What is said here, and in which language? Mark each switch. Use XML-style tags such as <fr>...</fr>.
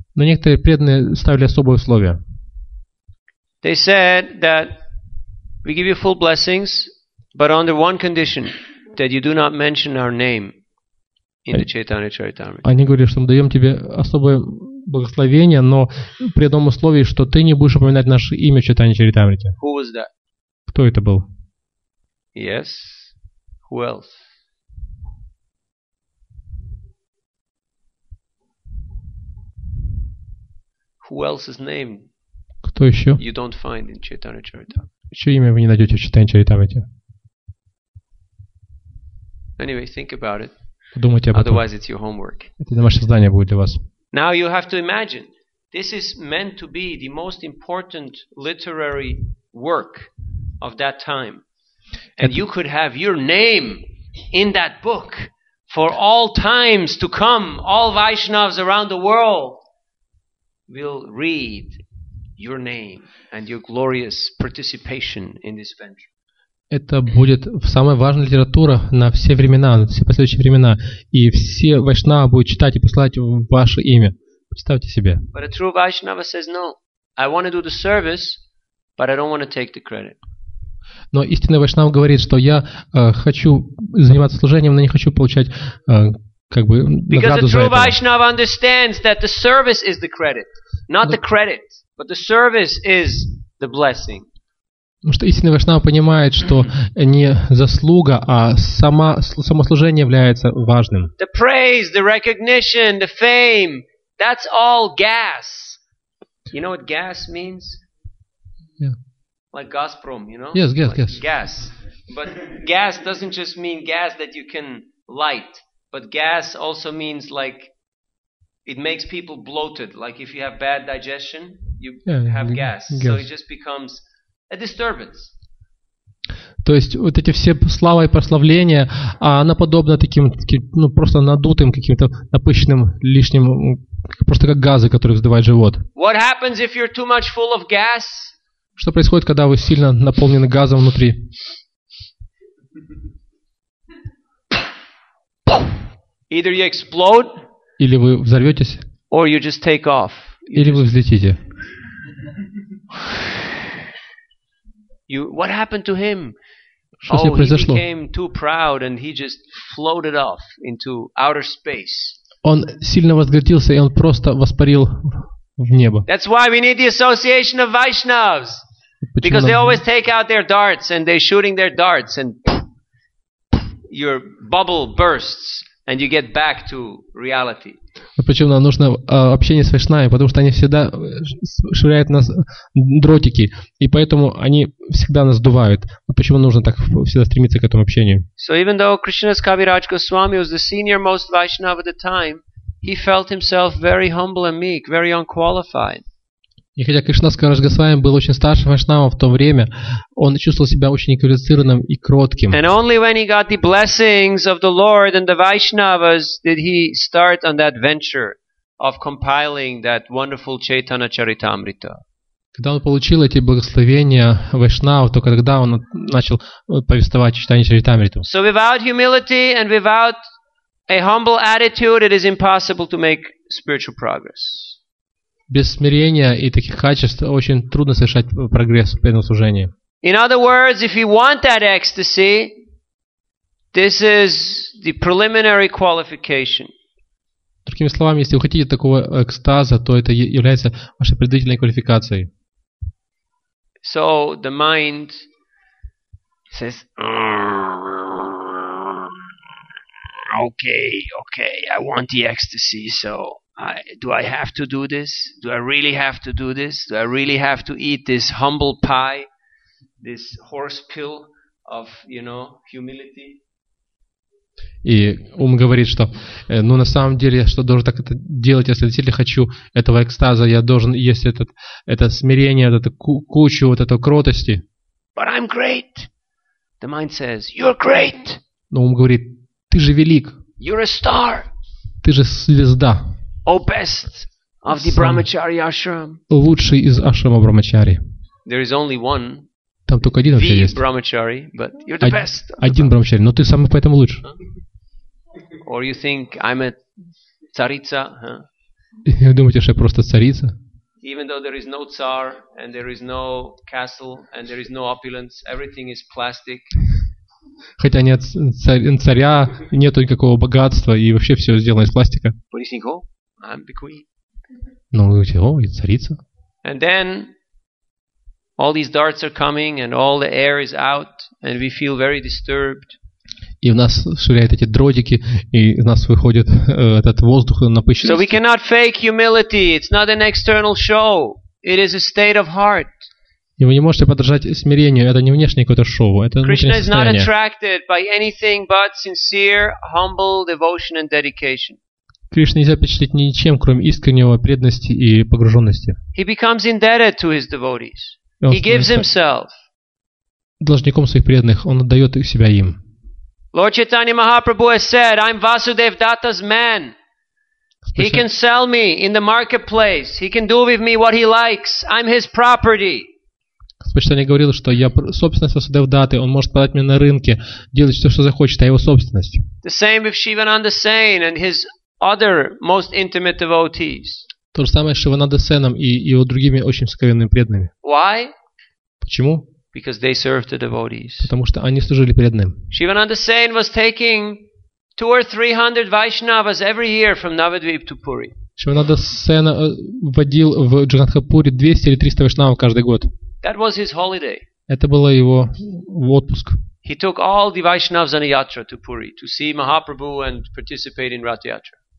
<ru>Но некоторые преданные ставили особые условия.</ru> <en>They said that we give you full blessings, but under one condition, that you do not mention our name in the Chaitanya Charitamrita.</en> <ru>Они говорили, что мы даем тебе особые благословение, но при одном условии, что ты не будешь упоминать наше имя в Чайтанье Чаритамрите. Кто это был?</ru> <en>Yes. Who else? Who else's name?</en> <ru>Кто еще?</ru> <en>You don't find in Chaitanya Charitamrita.</en> <ru>Еще имя вы не найдете в Чайтанье Чаритамрите.</ru> <en>Anyway, think about it.</en> <ru>Подумайте об этом.</ru> <en>Otherwise, it's your homework.</en> <ru>Это домашнее задание будет для вас.</ru> <en>Now you have to imagine, this is meant to be the most important literary work of that time. And you could have your name in that book for all times to come. All Vaishnavas around the world will read your name and your glorious participation in this venture.</en> <ru>Это будет самая важная литература на все времена, на все последующие времена. И все вайшнавы будут читать и посылать ваше имя. Представьте себе.</ru> <en>But a true Vaishnava says, no, I want to do the service, but I don't want to take the credit.</en> <ru>Но истинный вайшнав говорит, что я хочу заниматься служением, но не хочу получать награду за это.</ru> <en>Because a true Vaishnava understands that the service is the credit. Not the credit, but the service is the blessing.</en> <ru>Потому что истинный вайшнава понимает, что не заслуга, а само служение является важным.</ru> <en>The praise, the recognition, the fame, that's all gas. You know what gas means? Yeah. Like Gazprom, you know? Yes, gas, like gas. Gas. But gas doesn't just mean gas that you can light. But gas also means like it makes people bloated. Like if you have bad digestion, you have gas. So it just becomes a disturbance.</en> <ru>То есть вот эти все слава и прославления, она подобна таким, просто надутым, каким-то напыщенным, лишним, просто как газы, которые вздувают живот.</ru> <en>What happens if you're too much full of gas?</en> <ru>Что происходит, когда вы сильно наполнены газом внутри?</ru> <en>Either you explode,</en> <ru>или вы взорветесь,</ru> <en>or you just take off.</en> <ru>Или вы взлетите.</ru> <en>What happened to him?</en> <ru>Что с ним произошло?</ru> <en>He became too proud and he just floated off into outer space.</en> <ru>Он сильно возгордился и он просто воспарил в небо.</ru> <en>That's why we need the association of Vaishnavas. Because they always take out their darts and they're shooting their darts and your bubble bursts and you get back to reality.</en> <ru>Почему нам нужно общение с вайшнавами? Потому что они всегда швыряют нас дротики, и поэтому они всегда нас сдувают. Почему нужно так всегда стремиться к этому общению?</ru> <en>So even though Krishnadas Kaviraj Goswami was the senior most Vaishnava at the time, he felt himself very humble and meek, very unqualified.</en> <ru>И хотя Кришнадас Кавирадж Госвами был очень старшим вайшнавом в то время, он чувствовал себя очень неквалифицированным и кротким.</ru> <en>And only when he got the blessings of the Lord and the Vaishnavas did he start on that venture of compiling that wonderful Chaitanya Charitamrita.</en> <ru>Когда он получил эти благословения вайшнав, только тогда он начал повествовать Чайтанья Чаритамриту.</ru> <en>So without humility and without a humble attitude it is impossible to make spiritual progress.</en> <ru>Без смирения и таких качеств очень трудно совершать прогресс в преданном служении.</ru> <en>In other words, if you want that ecstasy, this is the preliminary qualification.</en> <ru>Другими словами, если вы хотите такого экстаза, то это является вашей предварительной квалификацией.</ru> <en>So the mind says, okay, okay, I want the ecstasy, so do I have to do this? Do I really have to do this? Do I really have to eat this humble pie, this horse pill of, you know, humility?</en> <ru>И ум говорит, что ну на самом деле, что должен так это делать, если действительно хочу этого экстаза, я должен есть это смирение, эту кучу вот этой кротости.</ru> <en>But I'm great. The mind says, you're great.</en> <ru>Но ум говорит, ты же велик.</ru> <en>You're a star.</en> <ru>Ты же звезда.</ru> <en>Oh, best of the Brahmachari ashram.</en> <ru>Лучший из ашрама Брахмачари.</ru> <en>There is only one.</en> <ru>Там только один вообще есть.</ru> <en>Brahmachari, but you're the best.</en> <ru>Один Брахмачари, но ты самый поэтому лучший.</ru> <en>Or you think I'm a царица, huh?</en> <ru>Вы думаете, что я просто царица?</ru> <en>Even though there is no tsar and there is no castle and there is no opulence, everything is plastic.</en> <ru>Хотя нет царя, нету никакого богатства и вообще все сделано из пластика.</ru> <en>But you think, oh, I'm the queen.</en> <ru>Ну, вы говорите, о, я царица.</ru> <en>And then all these darts are coming and all the air is out and we feel very disturbed.</en> <ru>И в нас швыряют эти дротики, и из нас выходит этот воздух напыщенности.</ru> <en>So we cannot fake humility. It's not an external show. It is a state of heart.</en> <ru>И вы не можете подражать смирению. Это не внешнее какое-то шоу. Это внутреннее состояние.</ru> <en>Krishna is not attracted by anything but sincere, humble devotion and dedication.</en> <ru>Кришна нельзя впечатлить ничем, кроме искреннего преданности и погруженности.</ru> <en>He becomes indebted to his devotees. He gives himself.</en> <ru>Должником своих преданных. Он отдает себя им.</ru> <en>Lord Chaitanya Mahaprabhu has said, I'm Vasudev Datta's man. He can sell me in the marketplace. He can do with me what he likes. I'm his property.</en> <ru>Господь говорил, что я собственность Васудев Датты. Он может подать мне на рынке, делать все, что захочет, а его собственность.</ru> <en>The same with Shivananda Sen and his other most intimate devotees.</en> <ru>То же самое с Шивананда Сеном и его другими очень сокровенными преданными.</ru> <en>Why?</en> <ru>Почему?</ru> <en>Because they served the devotees.</en> <ru>Потому что они служили преданным.</ru> <en>Shivananda Sen was taking 200 or 300 Vaishnavas every year from Navadvip to Puri.</en> <ru>Шивананда Сен водил в Джаганатхапури 200 или 300 Вайшнав каждый год.</ru> <en>That was his holiday.</en> <ru>Это было его отпуск.</ru> <en>He took all the Vaishnavas on a yatra to Puri to see Mahaprabhu and participate in Ratha Yatra.</en>